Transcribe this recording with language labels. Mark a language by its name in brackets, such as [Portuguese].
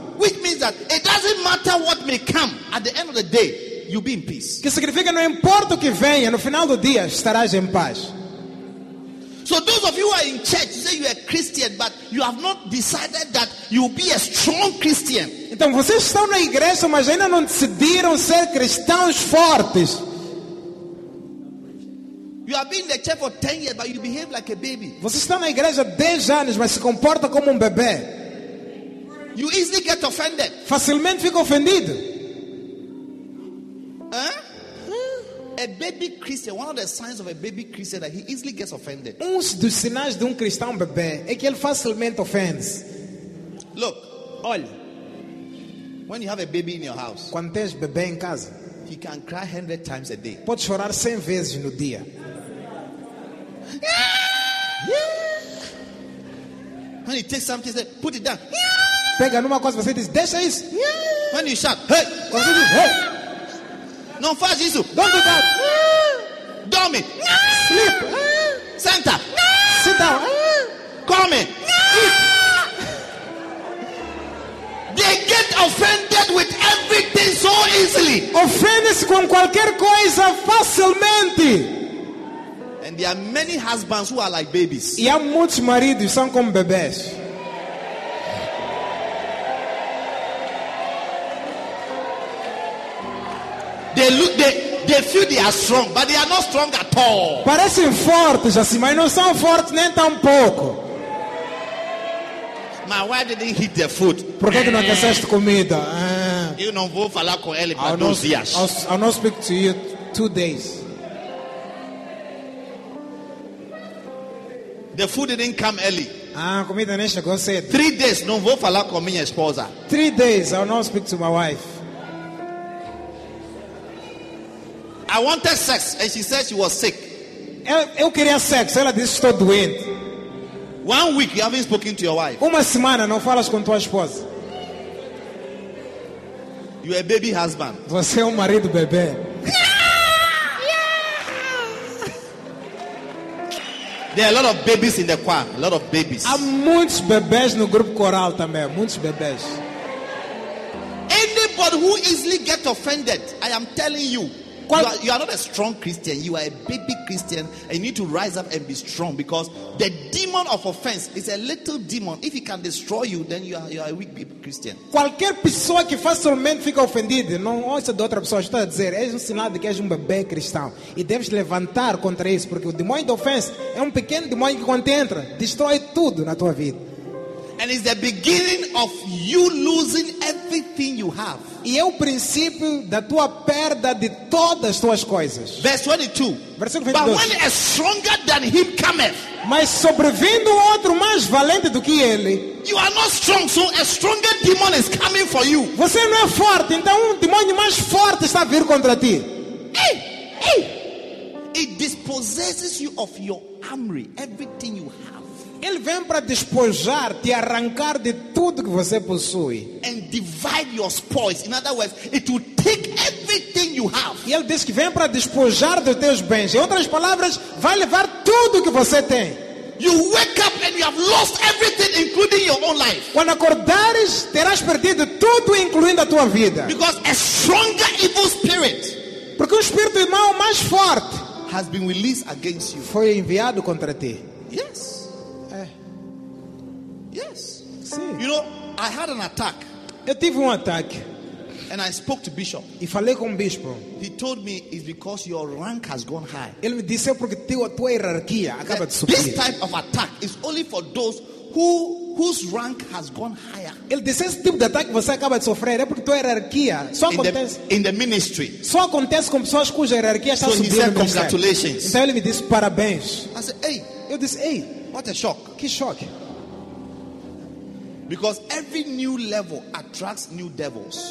[English] Which means that it doesn't matter what may come at the end of the day, you'll be in peace. [Portuguese] Que significa não importa o que venha, no final do dia estarás em paz. [English] So those of you who are in church, you say you are Christian, but you have not decided that you will be a strong Christian. [Portuguese] Então vocês estão na igreja, mas ainda não decidiram ser cristãos fortes. [English] You have been in the church for 10 years, but you behave like a baby. [Portuguese] Vocês estão na igreja 10 anos, mas se comporta como bebê. [English] You easily get offended. [Portuguese] Facilmente fica ofendido. [English] A baby Christian, one of the signs of a baby Christian that he easily gets offended. [Portuguese] Um dos sinais de cristão bebê é que ele facilmente ofende. [English] Look, [Portuguese] olha. [English] When you have a baby in your house, [Portuguese] quando tens bebê em casa, [English] he can cry 100 times a day. [Portuguese] Pode chorar 100 vezes no dia. [English] Yeah. When he takes something, he says, put it down. Yeah. [Portuguese] Pega numa coisa, você diz, deixa isso. [English] Yeah. When you shout, hey, [Portuguese] quando você diz, hey. Não faz isso. [English] Don't do that. [Portuguese] Dorme. [English] Sleep. [Portuguese] Senta. [English] Sit down. Come. Eat. They get offended with everything so easily. [Portuguese] Ofende-se com qualquer coisa facilmente. [English] And there are many husbands who are like babies. [Portuguese] E há muitos maridos são como bebês. [English] They look, they feel they are strong, but they are not strong at all. [Portuguese] Parecem fortes assim, mas não são fortes nem tão pouco. [English] My wife didn't hit the food. [Portuguese] Por que não aqueceste comida? Eu não vou falar com ele por 2 dias. [English] I'll not speak to you 2 days. The food didn't come early. [Portuguese] Ah, comida nem chegou cedo. [English] 3 days, [Portuguese] não vou falar com minha esposa. [English] 3 days, I'll not speak to my wife. I wanted sex and she said she was sick. [Portuguese] Eu queria sexo, ela disse estou doente. [English] 1 week you haven't spoken to your wife. [Portuguese] Uma semana não falas com tua esposa. [English] You are a baby husband. [Portuguese] Você é marido bebê. [English] There are a lot of babies in the choir, a lot of babies. [Portuguese] Há muitos bebês no grupo coral também, muitos bebês. [English] Anybody who easily get offended, I am telling you, You are not a strong Christian. You are a baby Christian. And you need to rise up and be strong. Because the demon of offense is a little demon. If he can destroy you, then you are a weak baby Christian. [Portuguese] Qualquer pessoa que facilmente fica ofendida, não ouça de outra pessoa, está a dizer, é um sinal de que és bebê cristão. E deves levantar contra isso. Porque o demônio de ofense é pequeno demônio que quando entra, destrói tudo na tua vida. [English] And it's the beginning of you losing everything you have. [Portuguese] E é o princípio da tua perda de todas as tuas coisas. [English] Verso 22. But when a stronger than him cometh. [Portuguese] Mas sobrevindo outro mais valente do que ele. [English] You are not strong, so a stronger demon is coming for you. [Portuguese] Você não é forte, então demônio mais forte está a vir contra ti. [English] Hey. It dispossesses you of your armory, everything you have. [Portuguese] Ele vem para despojar, te arrancar de tudo que você possui. [English] And divide your spoils. In other words, it will take everything you have. [Portuguese] E ele diz que vem para despojar dos teus bens. Em outras palavras, vai levar tudo que você tem. [English] You wake up and you have lost everything, including your own life. [Portuguese] Quando acordares, terás perdido tudo, incluindo a tua vida. [English] Because a stronger evil spirit. [Portuguese] Porque o espírito mau mais forte [English] has been released against you. [Portuguese] Foi enviado contra ti. [English] Yes. [Portuguese] É. [English] Yes. [Portuguese] Sim. [English] You know, I had an attack. [Portuguese] Eu tive um ataque. [English] And I spoke to Bishop. [Portuguese] E falei com o bispo. [English] He told me it's because your rank has gone high. [Portuguese] Ele me disse porque tua hierarquia acaba de subir. [English] This type of attack is only for those whose rank has gone higher. [Portuguese] Ele disse esse tipo de ataque você acaba de sofrer é porque tua hierarquia só acontece [English] in the ministry. [Portuguese] Só acontece com pessoas cuja hierarquia está subindo. [English] So he said congratulations. [Portuguese] Então ele me disse parabéns. [English] I said, hey. [Portuguese] Eu disse, hey. [English] What a shock. [Portuguese] Que choque. [English] Because every new level attracts new devils.